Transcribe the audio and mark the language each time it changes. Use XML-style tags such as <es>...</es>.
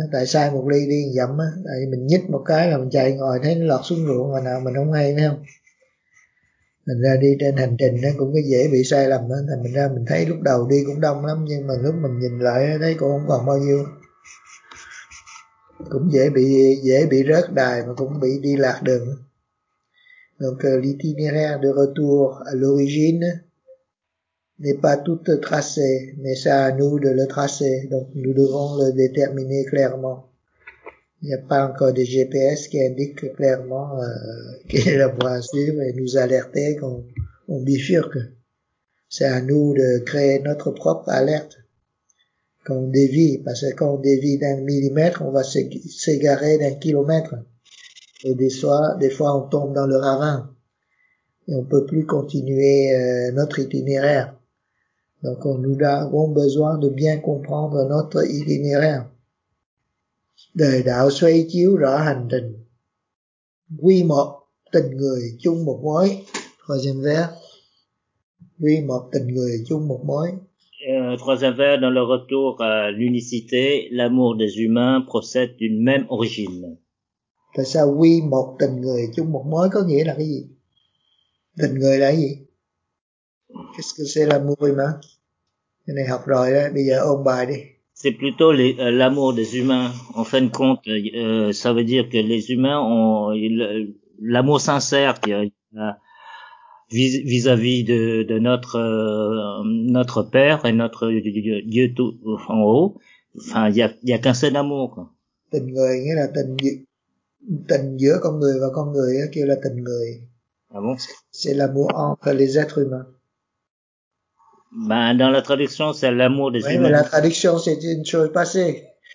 <vi>Tại sai một ly đi dặm, tại mình nhích một cái là mình chạy ngồi thấy nó lọt xuống ruộng, mà nào mình không hay, thấy không? Mình ra đi trên hành trình cũng có dễ bị sai lầm, thì mình ra mình thấy lúc đầu đi cũng đông lắm, nhưng mà lúc mình nhìn lại thấy cũng không còn bao nhiêu. Cũng dễ bị rớt đài, mà cũng bị đi lạc đường.</vi> <fr>Donc l'itinéraire de retour à l'origine n'est pas tout tracé, mais c'est à nous de le tracer, donc nous devons le déterminer clairement. Il n'y a pas encore de GPS qui indique clairement quelle est la voie à suivre et nous alerter quand on bifurque. C'est à nous de créer notre propre alerte quand on dévie, parce que quand on dévie d'un millimètre, on va s'égarer d'un kilomètre. Et des fois, on tombe dans le ravin et on peut plus continuer notre itinéraire. Donc, nous avons besoin de bien comprendre notre itinéraire.</fr> <vi>Đời đạo xoay chiếu rõ hành trình, quy một tình người chung một mối.</vi> <fr>Troisième vers.</fr> <vi>Quy một tình người chung một mối.</vi> <fr>Troisième vers, dans le retour à l'unicité, l'amour des humains procède d'une même origine.</fr> <vi>Tại sao quy một tình người chung một mối có nghĩa là cái gì? Tình người là cái gì?</vi> <fr>Qu'est-ce que c'est l'amour humain?</fr> <vi>Cái này học rồi đó, bây giờ ôn bài đi.</vi> <fr>C'est plutôt l'amour des humains. En fin de compte, ça veut dire que les humains ont l'amour sincère vis-à-vis de notre père et notre Dieu tout en haut. Enfin, il y a qu'un seul amour.</fr> <vi>Tình người nghĩa là tình Dieu. Tình giữa con người và con người á, kêu là tình người.</vi> <fr>Ah bon? C'est l'amour entre les êtres humains. Bah, dans la traduction, c'est l'amour des humains. Mais la traduction, c'est une chose passée.</fr>